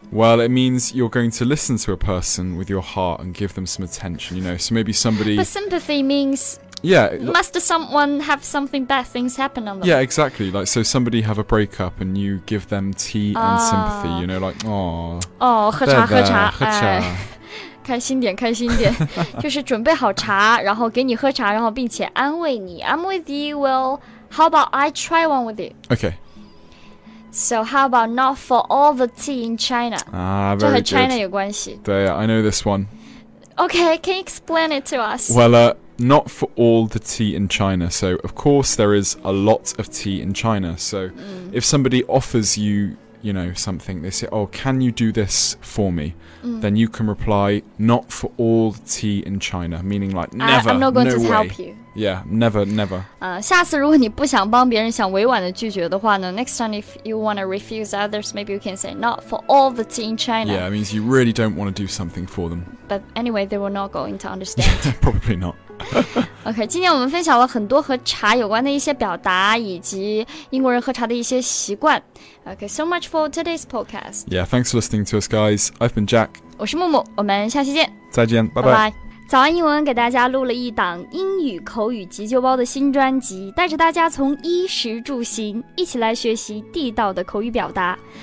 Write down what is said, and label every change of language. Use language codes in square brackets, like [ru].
[en] Well, it means you're going to listen to a person with your heart and give them some attention, you know. So maybe somebody... But sympathy means... Yeah. Must someone have something bad things happen on them? Yeah, exactly. Like, so somebody have a breakup and you give them tea and sympathy, you know, like, aww. [zh] Oh, 喝茶喝茶。喝茶。开心点开心点。就是准备好茶然后给你喝茶然后并且安慰你。 [en] I'm with you, well, how about I try one with you? Okay. So how about not for all the tea in China? Very good. [zh] 这和 China 有关系。对 [en] I know this one. Okay, can you explain it to us? Well, Not for all the tea in China. So, of course, there is a lot of tea in China. So, if somebody offers you, you know, something, they say, oh, can you do this for me? Then you can reply, not for all the tea in China. Meaning, like, never, I'm not going to help you. Yeah, never, never. [zh] 下次如果你不想帮别人想委婉的拒绝的话呢 [en] next time if you want to refuse others, maybe you can say, not for all the tea in China. Yeah, it means you really don't want to do something for them. But anyway, they were not going to understand. Probably not. [zh] OK, 今天我们分享了很多和茶有关的一些表达以及英国人喝茶的一些习惯。 [en] OK, so much for today's podcast. Yeah, thanks for listening to us, guys. I've been Jack. [zh] 我是木木,我们下期见。再见, 拜拜。早安英文给大家录了一档英语口语急救包的新专辑,带着大家从衣食住行一起来学习地道的口语表达。